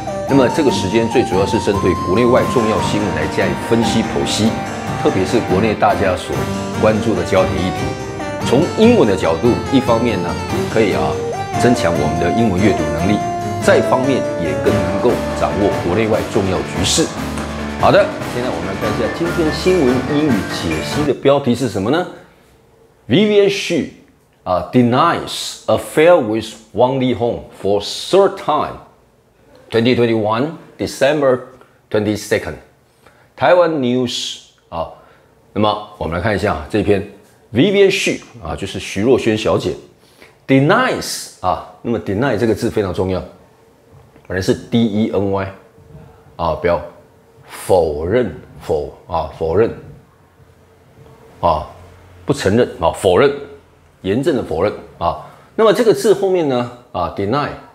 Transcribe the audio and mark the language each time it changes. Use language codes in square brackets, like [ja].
[zh] 那么这个时间最主要是针对国内外重要新闻来加以分析剖析，特别是国内大家所关注的焦点议题。从英文的角度，一方面呢可以增强我们的英文阅读能力，再一方面也更能够掌握国内外重要局势。好的，现在我们来看一下今天新闻英语解析的标题是什么呢？ [en] Vivian Xu denies affair with Wang Li Hong for third time. 2021 December 22nd, Taiwan News. [zh] 好，那么我们来看一下这篇 Vivian Xu 就是徐若瑄小姐 denies 那么 deny 这个字非常重要，本来是 D E N Y 表否认否认不承认否认，严正的否认那么这个字后面呢deny。